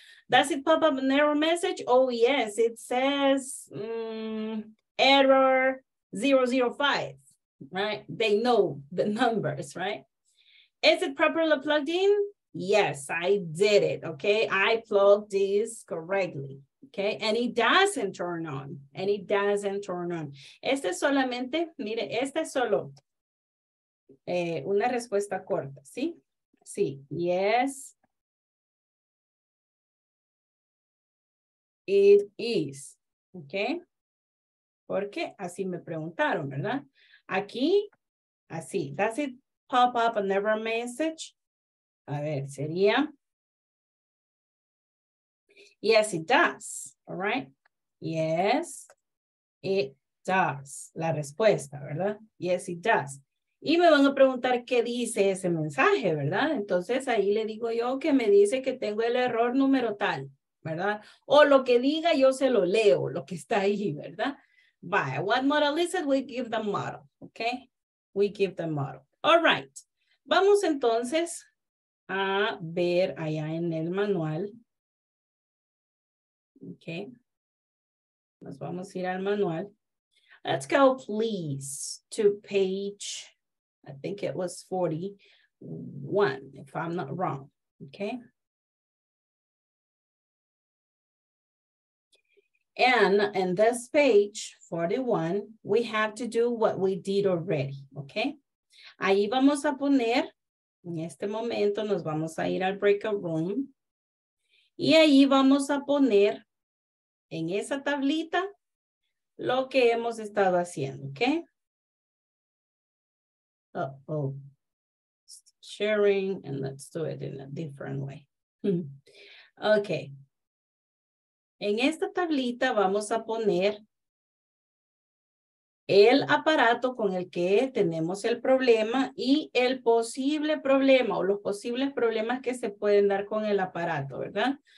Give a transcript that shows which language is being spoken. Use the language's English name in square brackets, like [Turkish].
[English] Does it pop up an error message? Oh, yes, it says error 005, right? They know the numbers, right? Is it properly plugged in? Yes, I did it, okay? I plugged this correctly, okay? And it doesn't turn on, and it doesn't turn on. [Spanish] Este solamente, mire, este solo, una respuesta corta, ¿sí? Sí, [English] yes. It is, okay? [Spanish] Porque así me preguntaron, ¿verdad? Aquí, así. [English] Does it pop up an error message? [Spanish] A ver, sería. [English] Yes, it does, all right? Yes, it does. [Spanish] La respuesta, ¿verdad? [English] Yes, it does. [Spanish] Y me van a preguntar qué dice ese mensaje, ¿verdad? Entonces ahí le digo yo que me dice que tengo el error número tal, ¿verdad? O lo que diga, yo se lo leo, lo que está ahí, ¿verdad? Vaya, [English] what model is it? We give the model, okay? We give the model. All right. [Spanish] Vamos entonces a ver allá en el manual. Okay. Nos vamos a ir al manual. [English] Let's go, please, to page, I think it was 41, if I'm not wrong, okay? And in this page 41, we have to do what we did already, okay? [Spanish] Ahí vamos a poner, en este momento nos vamos a ir al breakout room. Y ahí vamos a poner en esa tablita lo que hemos estado haciendo, okay? Uh-oh. [English] Sharing, and let's do it in a different way. Okay. [Spanish] En esta tablita vamos a poner el aparato con el que tenemos el problema y el posible problema o los posibles problemas que se pueden dar con el aparato, ¿verdad?